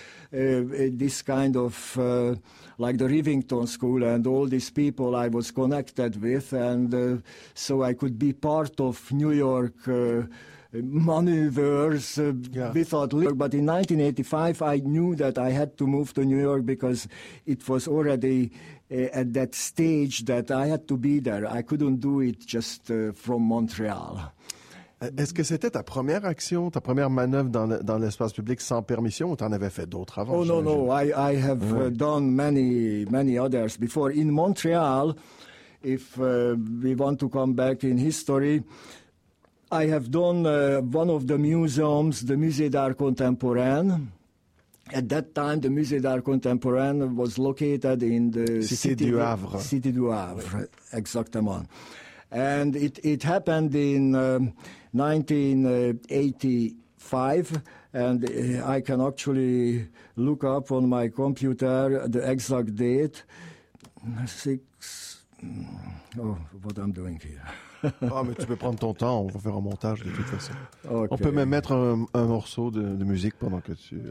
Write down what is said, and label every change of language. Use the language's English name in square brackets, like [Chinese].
[English] This kind of like the Rivington School and all these people I was connected with, and so I could be part of New York maneuvers without living. But in 1985, I knew that I had to move to New York because it was already at that stage that I had to be there. I couldn't do it just from Montreal. [French] Est-ce que c'était ta première action, ta première manœuvre dans l'espace public sans permission, ou t'en avais fait d'autres avant? [English] I have done many, many others before. In Montreal, if we want to come back in history, I have done one of the museums, the Musée d'Art Contemporain. At that time, the Musée d'Art Contemporain was located in the Cité du Havre, exactement. And it happened in 1985, and I can actually look up on my computer the exact date. What I'm doing here. [French] Ah, mais tu peux prendre ton temps, on va faire un montage de toute façon. [English] Okay. [French] On peut même mettre un morceau de musique pendant que tu...